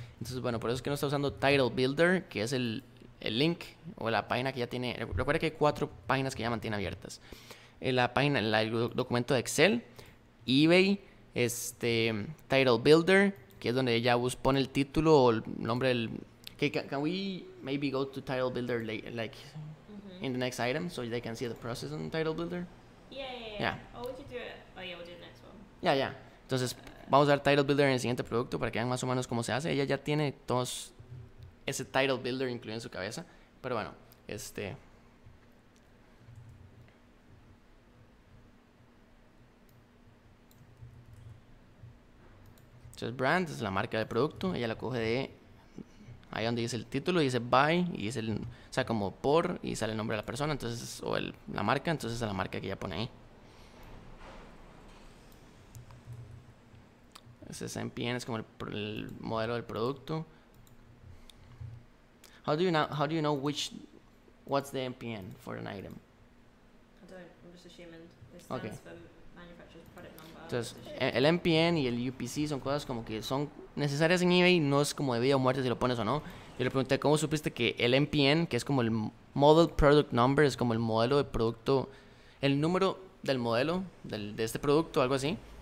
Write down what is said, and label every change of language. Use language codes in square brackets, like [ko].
[es] Entonces, bueno, por eso es que no está usando Title Builder, que es el link o la página que ya tiene. Recuerda que hay 4 páginas que ya mantiene abiertas. La página, el documento de Excel, eBay, Title Builder, que es donde ella pone el título o el nombre del... [en] Okay, can we maybe go to Title Builder in the next item so they can see the process on Title Builder? Yeah. Oh, would you do it? Oh, yeah, we'll do the next one. Yeah. [es] Entonces, vamos a dar Title Builder en el siguiente producto para que vean más o menos cómo se hace. Ella ya tiene todos ese Title Builder incluido en su cabeza. Pero bueno, Entonces, brand es la marca del producto. Ella la coge de Ahí donde dice el título, dice by, y dice el, o sea, como por, y sale el nombre de la persona, entonces, o el, la marca, entonces es la marca que ya pone ahí. Ese es MPN, es como el modelo del producto. [en] How do you know which, what's the MPN for an item? I don't, I'm just assuming this stands okay. for manufacturer's product number. [es] Entonces, el MPN y el UPC son cosas como que son necesarias en eBay, no es como de vida o muerte si lo pones o no. Yo le pregunté, ¿cómo supiste que el MPN, que es como el Model Product Number, es como el modelo de producto, el número del modelo del, de este producto algo así?